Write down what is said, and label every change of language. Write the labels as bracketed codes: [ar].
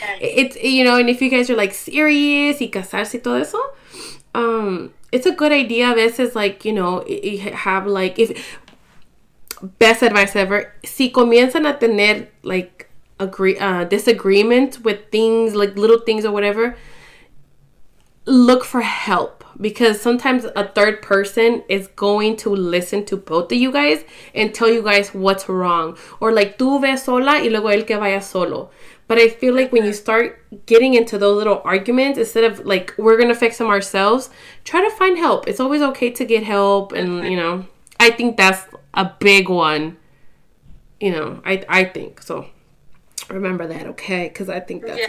[en] It's, you know, and if you guys are like serious y casarse y todo eso, it's a good idea a veces, like, you know, have like, if best advice ever, si comienzan a tener like agree disagreements with things, like little things or whatever, look for help. Because sometimes a third person is going to listen to both of you guys and tell you guys what's wrong. [es] Or like, tú ve sola y luego él que vaya solo. [en] But I feel like when you start getting into those little arguments, instead of like, we're gonna fix them ourselves, try to find help. It's always okay to get help. And, you know, I think that's a big one. You know, I think so. Remember that, okay? Because I think that's a good